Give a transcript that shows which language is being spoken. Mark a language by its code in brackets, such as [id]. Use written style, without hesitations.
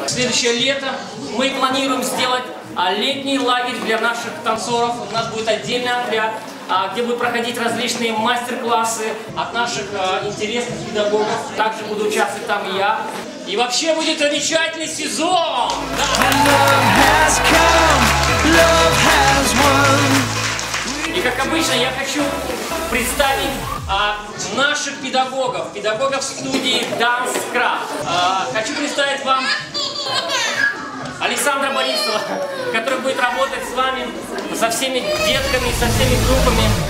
[ru] Следующее лето мы планируем сделать летний лагерь для наших танцоров. У нас будет отдельный отряд, где будут проходить различные мастер-классы от наших интересных педагогов. Также буду участвовать там и я. И вообще будет замечательный сезон! Да. [en] Love has come, love has won. [ru] И как обычно, я хочу представить наших педагогов, педагогов студии DanceCraft. Хочу представить вам Александра Борисова, который будет работать с вами, со всеми детками, со всеми группами.